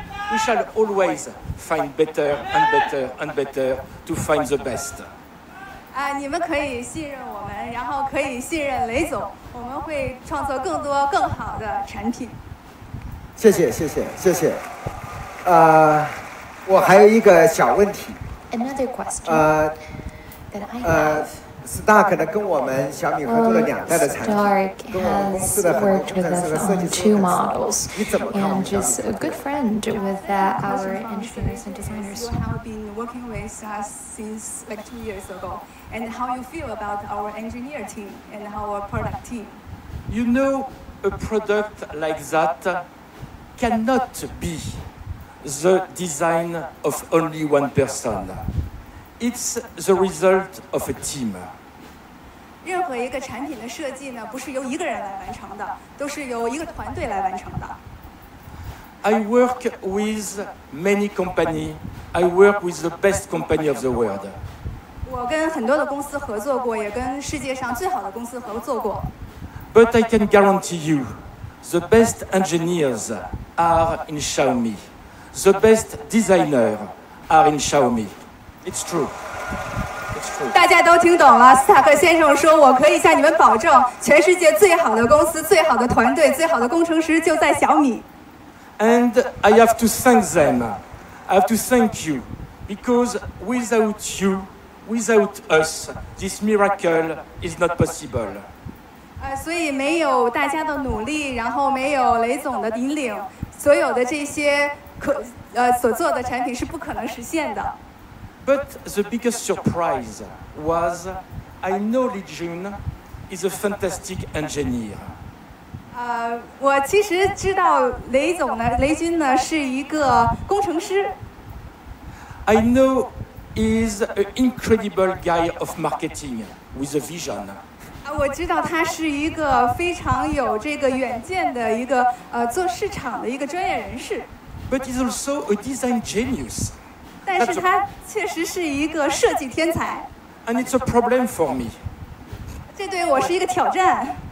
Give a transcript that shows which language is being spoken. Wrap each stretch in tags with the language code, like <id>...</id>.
<en>We shall always find better and better and better to find the best.</en> <zh>你们可以信任我们，然后可以信任雷总，我们会创造更多更好的产品。谢谢，谢谢，谢谢。我还有一个小问题。</zh> <en>Another question that I have.</en> <zh>Stark 呢，跟我们小米合作了两代的产品，跟我们公司的很多工程师和设计师合作。你怎么看我们这样的？</zh> <en>And just a good friend with our engineers and designers. You have been working with us since like 2 years ago. And how you feel about our engineer team and our product team? You know, a product like that cannot be the design of only one person. It's the result of a team.</en> <zh>任何一个产品的设计呢，不是由一个人来完成的，都是由一个团队来完成的。</zh> <en>I work with many companies. I work with the best company of the world.</en> <zh>我跟很多的公司合作过，也跟世界上最好的公司合作过。</zh> <en>But I can guarantee you, the best engineers are in Xiaomi. The best designers are in Xiaomi. It's true. It's true.</en> <zh>大家都听懂了，斯塔克先生说，我可以向你们保证，全世界最好的公司、最好的团队、最好的工程师就在小米。</zh> <en>And I have to thank them. I have to thank you, because without you, without us, this miracle is not possible.</en> <zh>所以没有大家的努力，然后没有雷总的引领，所有的这些所做的产品是不可能实现的。</zh> <en>But the biggest surprise was, I know Li Jun is a fantastic engineer.</en> <zh>我其实知道雷总呢，雷军呢是一个工程师。</zh> <en>I know he's an incredible guy of marketing with a vision.</en> <zh>我知道他是一个非常有这个远见的一个做市场的一个专业人士。</zh> <en>But he's also a design genius.</en> <zh>但是他确实是一个设计天才。</zh> <en>And it's a problem for me.</en> <zh>这对我是一个挑战。</zh>